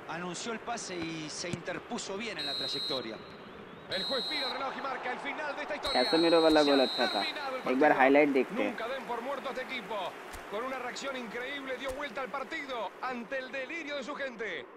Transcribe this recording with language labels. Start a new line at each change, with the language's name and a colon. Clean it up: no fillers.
Spanish: anunció el pase y se interpuso bien en la trayectoria el juez mira el reloj y marca el final de esta historia
Hindi: Casemiro वाला गोल अच्छा था एक बार highlight देखते
Spanish: nunca den por muerto este equipo con una reacción increíble dio vuelta al partido ante el delirio de su gente